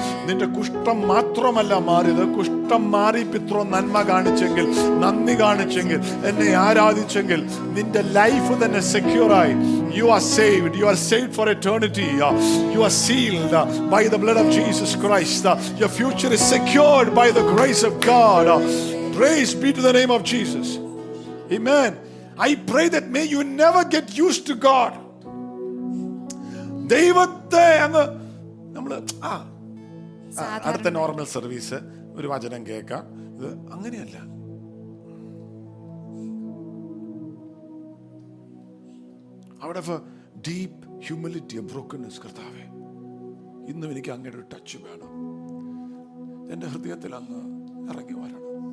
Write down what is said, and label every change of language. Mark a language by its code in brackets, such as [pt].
[ml] നിന്റെ കുഷ്ഠം മാത്രമല്ല മാറിയത്, കുഷ്ഠം മാറി പിത്രോ നന്മ കാണിച്ചെങ്കിൽ, നന്ദി കാണിച്ചെങ്കിൽ, എന്നെ ആരാധിച്ചെങ്കിൽ, നിന്റെ ലൈഫ് തന്നെ സെക്യൂറായി. [en] You are saved, you are saved for eternity. You are sealed by the blood of Jesus Christ. Your future is secured by the grace of God. Praise be to the name of Jesus. Amen. I pray that may you never get used to God. [ml] Devathe anga നമ്മള് ആ അടുത്ത normal service ഒരു വചനം കേൾക്കാം, ഇത് അങ്ങനെയല്ല. അവിടെ deep humility, brokenness, കർത്താവേ ഇന്നും എനിക്ക് അങ്ങയുടെ ഒരു ടച്ച് വേണം, എൻ്റെ ഹൃദയത്തിൽ അങ്ങ് ഇറങ്ങി വരണം,